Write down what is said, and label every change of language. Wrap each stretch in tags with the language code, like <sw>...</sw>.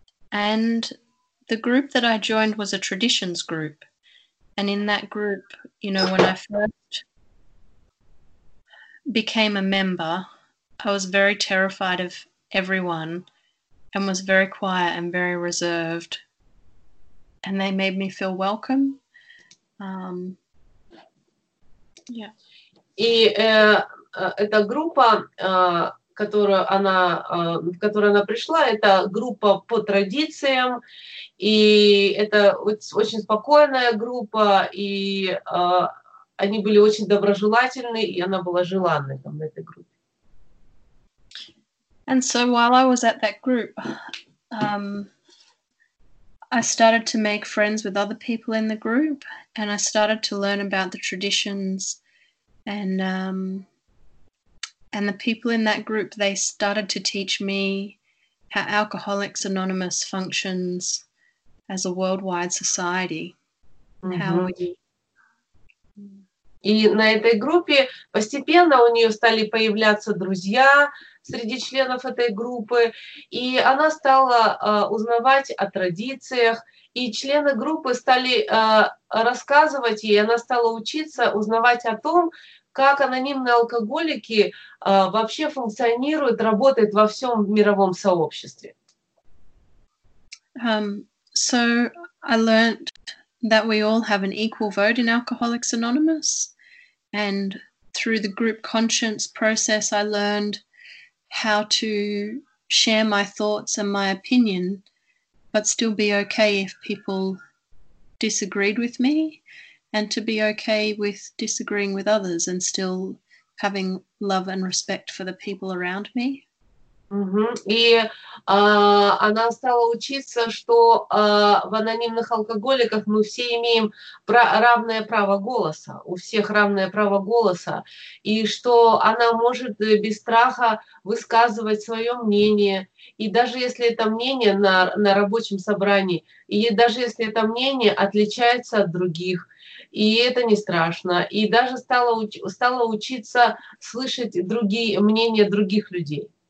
<en>And the group that I joined was a traditions group. And in that group, you know, when I first became a member, I was very terrified of everyone. And was very quiet and very reserved. And they made me feel welcome.</en> <ru>И эта группа, в которую она пришла, это группа по традициям, и это очень спокойная группа, и они были очень доброжелательны, и она была желанной там в этой группе.</ru> <en>And so while I was at that group, I started to make friends with other people in the group, and I started to learn about the traditions, and the people in that group, they started to teach me how Alcoholics Anonymous functions as a worldwide society. Mm-hmm. How we.</en> <ru>И на этой группе постепенно у нее стали появляться друзья среди членов этой группы, и она стала узнавать о традициях, и члены группы стали рассказывать ей, она стала учиться узнавать о том, как анонимные алкоголики вообще функционируют, работают во всем мировом сообществе.</ru> <en>So I learned that we all have an equal vote in Alcoholics Anonymous. And through the group conscience process, I learned how to share my thoughts and my opinion, but still be okay if people disagreed with me, and to be okay with disagreeing with others and still having love and respect for the people around me.</en> <ru>И она стала учиться, что в анонимных алкоголиках мы все имеем равное право голоса, у всех равное право голоса, и что она может без страха высказывать свое мнение, и даже если это мнение на рабочем собрании, и даже если это мнение отличается от других, и это не страшно, и даже стала учиться слышать другие мнения других людей.</ru>